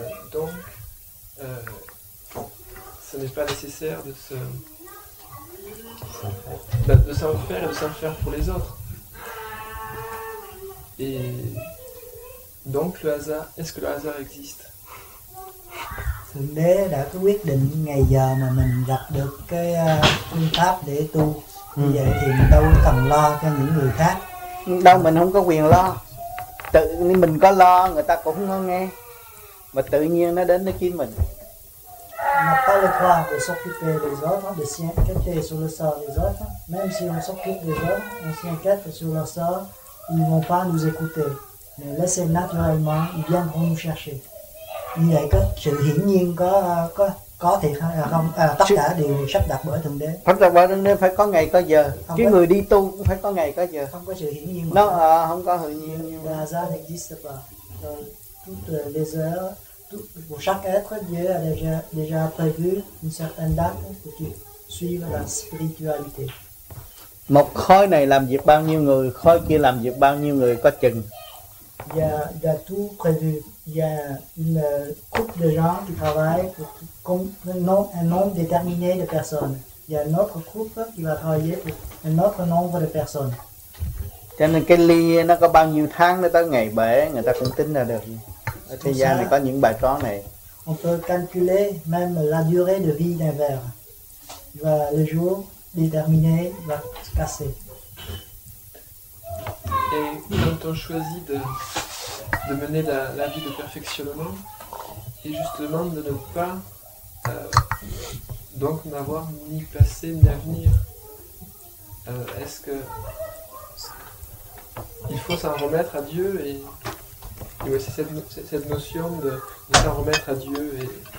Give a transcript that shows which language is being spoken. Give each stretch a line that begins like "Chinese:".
French: Donc, ce n'est pas nécessaire de se de s'en faire et de s'en faire pour les autres. Et donc le hasard, est-ce que le hasard existe?
Vietnamese: Thượng Đế đã có quyết định ngày giờ mà mình gặp được cái phương pháp để tu. Như vậy thì mình đâu cần lo cho những người khác. Đâu, mình không có quyền lo. Tự mình có lo người ta cũng không có nghe. Mà tự nhiên nó đến nó kiếm mình.
French: On n'a pas le droit de s'occuper des autres, de s'inquiéter sur le sort des autres. Même si on s'occupe des autres, on s'inquiète sur leur sort, ils ne vont pas nous écouter. Mais laissez naturellement, ils viendront nous chercher. Il y a que,
Vietnamese: Có thì không, à, tất cả đều sắp đặt bởi Thượng Đế. Sắp đặt bởi Thượng Đế phải có ngày có giờ. Không cái có... người đi tu cũng phải có ngày có giờ. Không có sự hiển nhiên. Nó à, không có hiển nhiên.
French: La raison n'existe pas. Toutes les heures, tout, pour chaque être, Dieu a déjà, déjà prévu une certaine date pour que tu suives la spiritualité.
Vietnamese: Một khối này làm việc bao nhiêu người, khối kia làm việc bao nhiêu người có chừng.
French: Il y a tout prévu. Il y a une coupe de gens qui travaillent pour un nombre déterminé de personnes. Il y a une autre coupe qui va travailler pour un autre nombre de personnes.
Vietnamese: Cho nên cái ly nó có bao nhiêu tháng nữa tới ngày bể người ta cũng tính ra được. Ở thế gian này có những bài toán này.
French: On peut calculer même la durée de vie d'un verre. Và le jour déterminé va se casser. Et quand on choisit de mener la vie de perfectionnement, et justement de ne pas donc n'avoir ni passé ni avenir, est-ce que il faut s'en remettre à Dieu et aussi cette notion de s'en remettre à Dieu et